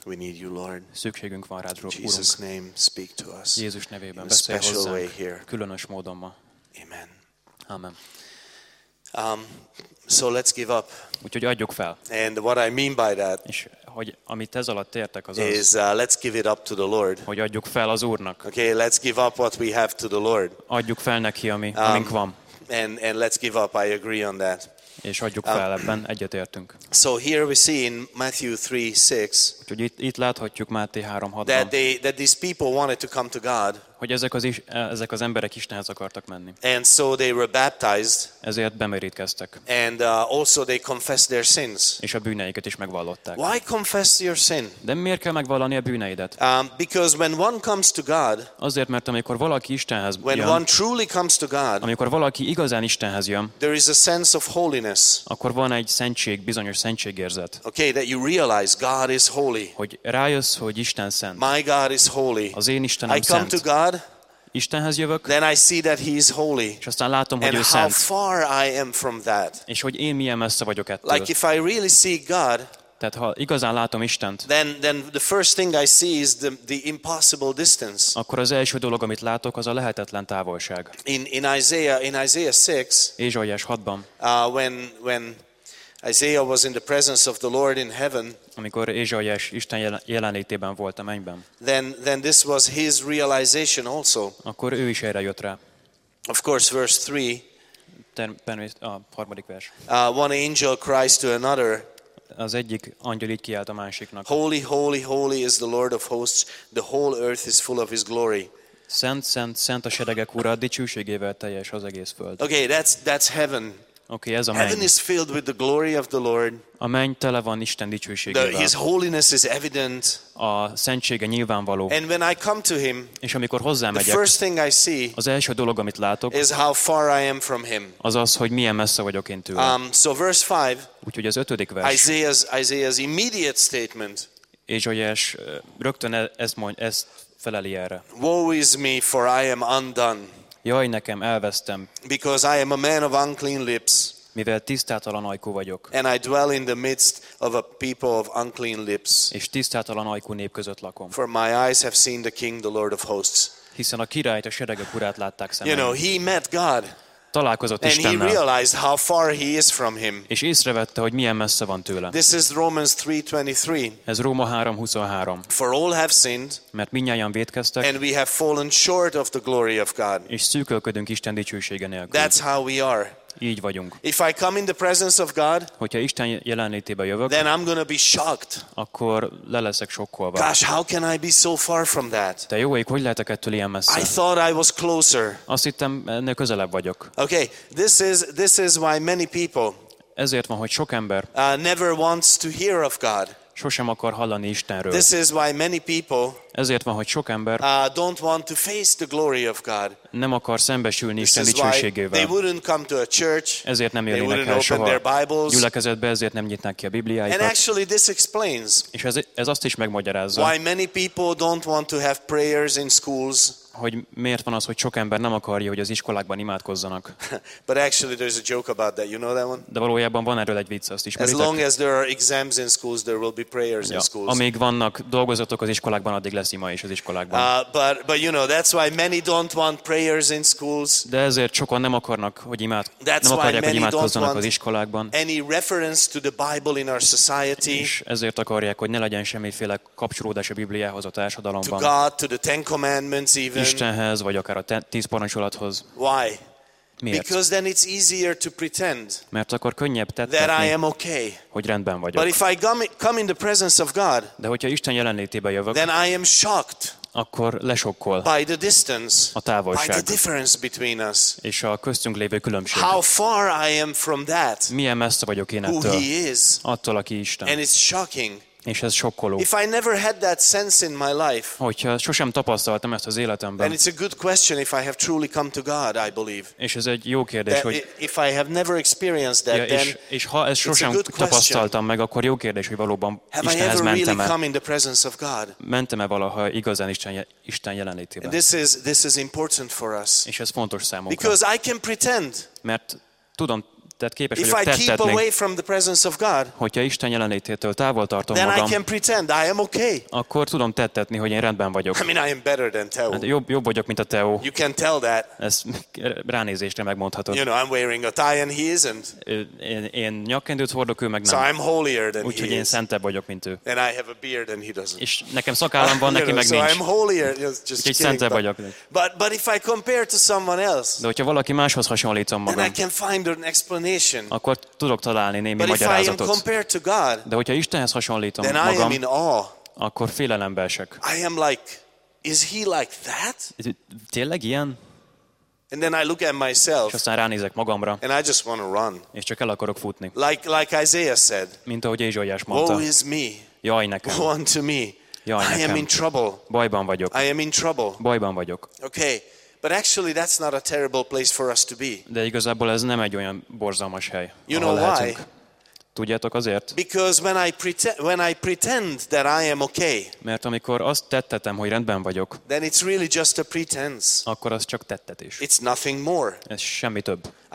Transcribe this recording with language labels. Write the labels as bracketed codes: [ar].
[en] We need you, Lord. [hu] Szükségünk van rád, Urunk. [en] Jesus name, speak to us. [hu] Jézus nevében beszélj hozzánk. Különös módon ma. Amen. Amen. [en] So let's give up. [hu] Úgyhogy adjuk fel. [en] And what I mean by that. [hu] És hogy amit ez alatt értek, az [en] is, let's give it up to the Lord. [hu] Hogy adjuk fel az Úrnak. [en] Okay, let's give up what we have to the Lord. [hu] Adjuk fel neki, amink van. [en] And let's give up, I agree on that. [hu] És adjuk fel, ebben egyetértünk. [en] So here we see in Matthew 3:6. [hu] Úgyhogy itt láthatjuk Máté 3:6-ban. [en] That these people wanted to come to God. [hu] Hogy ezek az emberek Istenhez akartak menni. [en] And so they were baptized. [hu] Ezért bemerítkeztek. [en] And also they confessed their sins. [hu] És a bűneiket is megvallották. [en] Why confess your sin? [hu] De miért kell megvallani a bűneidet? [en] Because when one comes to God, [hu] azért, mert amikor valaki Istenhez jön, [en] when one truly comes to God, [hu] amikor valaki igazán Istenhez jön, [en] there is a sense of holiness. [hu] Akkor van egy szentség, bizonyos szentségérzet. [en] Okay, that you realize God is holy. [hu] Hogy rájössz, hogy Isten szent. [en] My God is holy. [hu] Az én Istenem [en] I come [hu] szent. [en] To God, [hu] Istenhez jövök. [en] Then I see that he is holy. [hu] És aztán látom, hogy [en] and [hu] ő [en] how [hu] szent. [en] Far I am from that. [hu] És hogy én milyen messze vagyok ettől. [en] Like if I really see God, [hu] tehát ha igazán látom Istent, [en] then the first thing I see is the impossible distance. [hu] Akkor az első dolog, amit látok, az a lehetetlen távolság. [en] In Isaiah 6, [hu] Ézsaiás 6-ban, [en] when Isaiah was in the presence of the Lord in heaven, [hu] amikor Ézsaiás Isten jelenlétében volt a mennyben, [en] then this was his realization also. [hu] Akkor ő is erre jött rá. [en] Of course, verse 3, [hu] a harmadik vers. [en] One angel cries to another, [hu] az egyik angyal így kiált a másiknak. [en] Holy, holy, holy is the Lord of hosts, the whole earth is full of his glory. [hu] Szent, szent, szent a seregek ura, a dicsőségével teljes az egész föld. [en] Okay, that's heaven. [hu] Okay, ez a [en] heaven [hu] menny. [en] Is filled with the glory of the Lord. [hu] A menny tele van Isten dicsőségével. [en] His holiness is evident. [hu] A szentsége nyilvánvaló. [en] And when I come to him, [hu] és amikor hozzámegyek, [en] the first thing I see, [hu] az első dolog, amit látok, [en] is how far I am from him. [hu] Az az, hogy milyen messze vagyok én tőle. [en] So verse 5. [hu] Úgyhogy az ötödik vers. [en] Isaiah's immediate statement. [hu] Ézsaiás rögtön ezt feleli erre. [en] Woe is me, for I am undone. [hu] Jaj, nekem, elvesztem. [en] Because I am a man of unclean lips. [hu] Mivel tisztátalan ajkú vagyok. [en] And I dwell in the midst of a people of unclean lips. [hu] És tisztátalan ajkú nép között lakom. [en] For my eyes have seen the King, the Lord of hosts. [hu] Hiszen a királyt, a seregek urát látták szemem. [en] You know, he met God. [hu] Találkozott Istennel. [en] And he realized how far he is from him. [hu] És észrevette, hogy milyen messze van tőle. [en] This is Romans 3:23. [hu] Ez Róma 3:23. [en] For all have sinned. [hu] Mert mindnyájan vétkeztek. [en] And we have fallen short of the glory of God. [hu] És szűkölködünk Isten dicsősége nélkül. [en] That's how we are. [hu] Így vagyunk. [en] If I come in the presence of God, [hu] hogyha Isten jelenlétébe jövök, [en] then I'm gonna be shocked. [hu] Akkor le leszek sokkolva. [en] Gosh, how can I be so far from that? [hu] De jó ég, hogy lehetek ettől ilyen messze? [en] I thought I was closer. [hu] Azt hittem, ennél közelebb vagyok. [en] Okay, this is why many people. [hu] Ezért van, hogy sok ember. [en] Never wants to hear of God. [hu] Sosem akar hallani Istenről. [en] This is why many people. [hu] Ezért van, hogy sok ember. [en] Don't want to face the glory of God. [hu] Nem akar szembesülni Isten dicsőségével. [en] They wouldn't come to a church. [hu] Ezért nem jönnek el soha gyülekezetbe, ezért nem nyitnak ki a Bibliáikat. [en] And actually this explains. [hu] És ez azt is megmagyarázza. [en] Why many people don't want to have prayers in schools. [hu] Hogy miért van az, hogy sok ember nem akarja, hogy az iskolákban imádkozzanak. [en] But actually there's a joke about that. You know that one? [hu] De valójában van erről egy vicc, azt ismeritek? [en] As long as there are exams in schools, there will be prayers in schools. [hu] Amíg vannak dolgozatok az iskolákban, addig lesz ima is az iskolákban. [en] But you know, that's why many don't want prayers in schools. [hu] De ezért sokan nem akarnak, hogy imádkozzanak az iskolákban. [en] Any reference to the Bible in our society. [hu] És ezért akarják, hogy ne legyen semmiféle kapcsolódás a Bibliához a társadalomban. [en] To God, to the Ten Commandments. [hu] Istenhez, vagy akár a tíz parancsolathoz. [en] Why? [hu] Miért? [en] Because then it's easier to pretend. [hu] Mert akkor könnyebb tettetni, okay. Hogy rendben vagyok. [en] But if I come in the presence of God, [hu] de hogyha Isten jelenlétébe jövök, [en] then I am shocked. [hu] Akkor lesokkol. [en] By the distance, [hu] a távolság. [en] By the difference between us, [hu] és a köztünk lévő különbség. [en] How far I am from that, [hu] milyen messze vagyok én ettől, [en] who he is, [hu] attól, aki Isten. [en] And it's shocking. [hu] És ez sokkoló. [en] If I never had that sense in my life. [hu] Hogyha sosem tapasztaltam ezt az életemben. [en] And it's a good question if I have truly come to God, I believe. [hu] És ez egy jó kérdés, hogy [en] if I have never experienced that, then [hu] és ha ezt sosem tapasztaltam meg, akkor jó kérdés, hogy valóban Istenhez mentem-e valaha igazán Isten jelenlétében. [en] This is important for us. [hu] És ez fontos számunkra. [en] Because I can pretend. [hu] Mert tudom. [en] If I keep away from the presence of God, [hu] hogyha Isten jelenlététől távol tartom [en] then [hu] magam, [en] then I can pretend I am okay. [hu] Akkor tudom tettetni, hogy én rendben vagyok. [en] I mean, I am better than Teo. [hu] Hát jobb vagyok, mint a Teo. [en] You can tell that. [hu] Ezt ránézésre megmondhatod. [en] You know, I'm wearing a tie and he isn't. [hu] Én nyakkendőt hordok, ő meg nem. [en] So I'm holier than he is. [hu] Úgyhogy én szentebb vagyok, mint ő. [en] And I have a beard and he doesn't. [hu] És nekem szakállam van, neki meg nincs. [en] So I'm holier. Just kidding. [hu] Szentebb vagyok. [en] But if I compare to someone else, [hu] de hogyha valaki máshoz hasonlítom magam, [en] then I can find an explanation. [hu] Akkor tudok találni némi magyarázatot. De hogyha Istenhez hasonlítom magam, akkor félelembe esek. [en] I am like, is he like that? [hu] Tényleg ilyen? [en] And then I look at myself. [hu] És aztán ránézek magamra. [en] And I just want to run. [hu] És csak el akarok futni. [en] Like Isaiah said. [hu] Mint ahogy Ézsaiás mondta. [en] Woe is me. [hu] Jaj nekem. [en] Woe unto me. [hu] Jaj nekem. [en] I am in trouble. [hu] Bajban vagyok. [en] I am in trouble. [hu] Bajban vagyok. Okay. [en] But actually that's not a terrible place for us to be. [hu] De igazából ez nem egy olyan borzalmas hely. [en] You know why? [hu] Tudjátok azért? [en] Because when I pretend that I am okay. [hu] Mert amikor azt tettetem, hogy rendben vagyok. [en] Then it's really just a pretense. [hu] Akkor az csak tettetés. [en] It's nothing more. [hu] Ez semmi több.